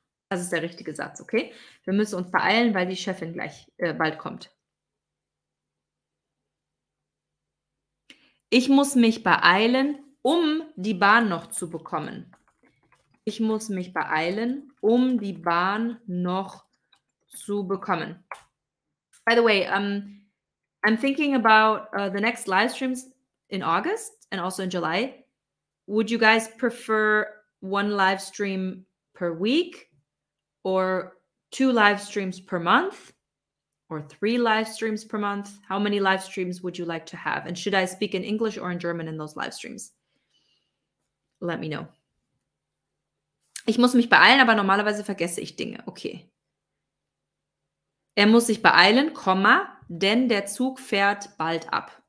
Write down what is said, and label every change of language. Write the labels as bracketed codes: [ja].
[de] Das ist der richtige Satz, okay? Wir müssen uns beeilen, weil die Chefin gleich bald kommt. Ich muss mich beeilen, um die Bahn noch zu bekommen. Ich muss mich beeilen, um die Bahn noch zu bekommen. [en] By the way, I'm thinking about the next live streams in August and also in July. Would you guys prefer one live stream per week or two live streams per month or three live streams per month? How many live streams would you like to have? And should I speak in English or in German in those live streams? Let me know. [de] Ich muss mich beeilen, aber normalerweise vergesse ich Dinge. Okay. Er muss sich beeilen, denn der Zug fährt bald ab.